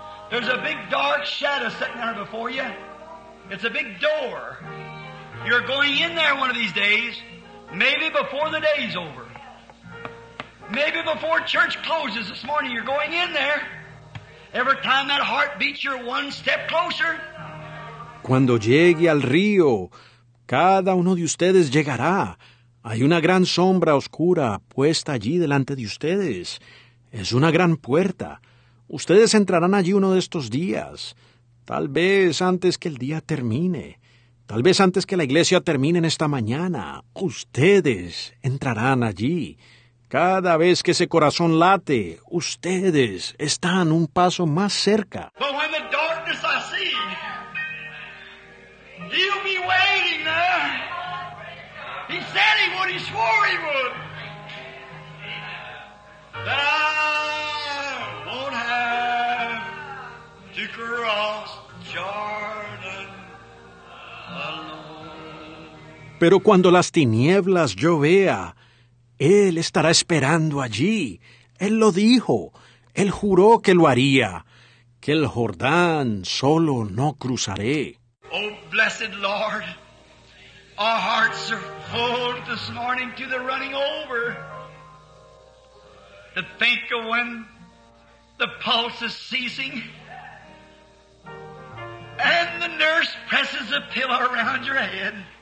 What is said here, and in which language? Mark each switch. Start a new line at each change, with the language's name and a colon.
English: There's a big dark shadow sitting there before you. It's a big door. You're going in there one of these days, maybe before the day's over. Maybe before church closes this morning, you're going in there. Every time that heart beats, you're one step closer.
Spanish: Cuando llegue al río, cada uno de ustedes llegará. Hay una gran sombra oscura puesta allí delante de ustedes. Es una gran puerta. Ustedes entrarán allí uno de estos días, tal vez antes que el día termine. Tal vez antes que la iglesia termine en esta mañana, ustedes entrarán allí. Cada vez que ese corazón late, ustedes están un paso más cerca.
English: But when the darkness I see, he'll be waiting there. He said he would, he swore he would. That I won't have to cross Jordan.
Spanish: Pero cuando las tinieblas yo vea, Él estará esperando allí. Él lo dijo. Él juró que lo haría. Que el Jordán solo no cruzaré.
English: Oh, blessed Lord, our hearts are full this morning to the running over. To think of when the pulse is ceasing. And the nurse presses a pillow around your head.